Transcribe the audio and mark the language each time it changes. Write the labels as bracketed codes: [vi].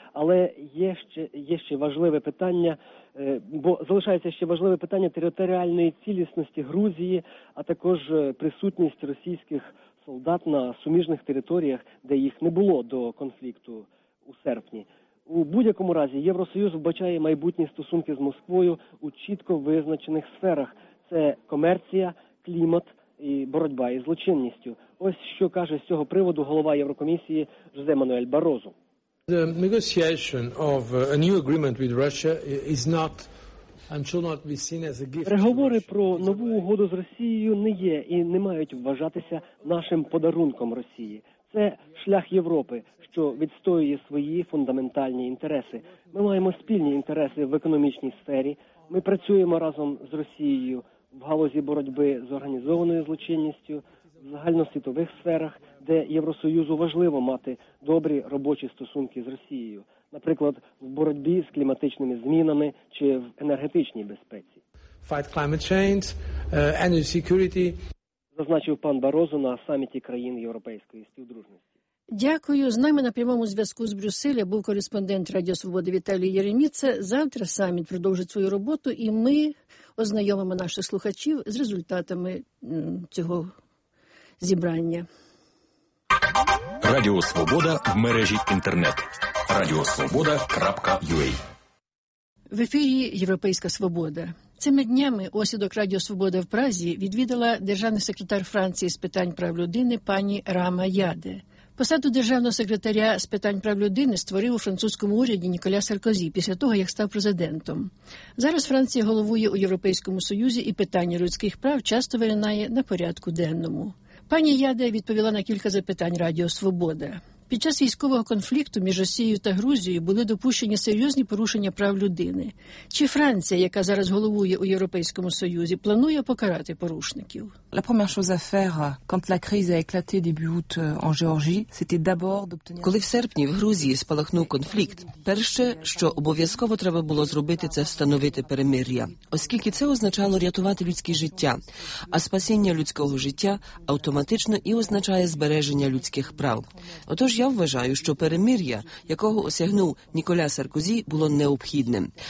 [uk] Але є ще важливе питання, бо залишається ще важливе питання територіальної цілісності Грузії, а також присутність російських солдат на суміжних територіях, де їх не було до конфлікту у серпні. У будь-якому разі Євросоюз вбачає майбутні стосунки з Москвою у чітко визначених сферах. Це комерція, клімат і боротьба із злочинністю. Ось що каже з цього приводу голова Єврокомісії Жозе Мануель Барозу. [en] The negotiation of a new agreement with Russia is not and shall not be seen as a gift. [uk] Переговори про нову угоду з Росією не є і не мають вважатися нашим подарунком Росії. Це шлях Європи, що відстоює свої фундаментальні інтереси. Ми маємо спільні інтереси в економічній сфері. Ми працюємо разом з Росією в галузі боротьби з організованою злочинністю, в загальносвітових сферах, де Євросоюзу важливо мати добрі робочі стосунки з Росією, наприклад, в боротьбі з кліматичними змінами чи в енергетичній безпеці. [en] fight climate change, energy security. [uk] Зазначив пан Барозу на саміті країн Європейської співдружності. Дякую. З нами на прямому зв'язку з Брюсселя був кореспондент Радіо Свободи Віталій Єреміця. Завтра саміт продовжить свою роботу, і ми ознайомимо наших слухачів з результатами цього зібрання. Радіо Свобода в мережі Інтернет. radiosvoboda.ua. В ефірі «Європейська свобода». Цими днями осідок Радіо Свобода в Празі відвідала державний секретар Франції з питань прав людини пані Рама Яде. Посаду державного секретаря з питань прав людини створив у французькому уряді Ніколя Саркозі після того, як став президентом. Зараз Франція головує у Європейському Союзі, і питання людських прав часто виринає на порядку денному. Пані Яде відповіла на кілька запитань Радіо Свобода. Під час військового конфлікту між Росією та Грузією були допущені серйозні порушення прав людини. Чи Франція, яка зараз головує у Європейському Союзі, планує покарати порушників? [fr] La première chose à faire quand la crise a éclaté début août en Géорджії, c'était d'abord d'obtenir. [uk] Коли в серпні в Грузії спалахнув конфлікт, перше, що обов'язково треба було зробити, це встановити перемир'я, оскільки це означало рятувати людське життя, а спасіння людського життя автоматично і означає збереження людських прав. Отож, я вважаю, що перемир'я, якого осягнув Ніколя Саркозі, було необхідним.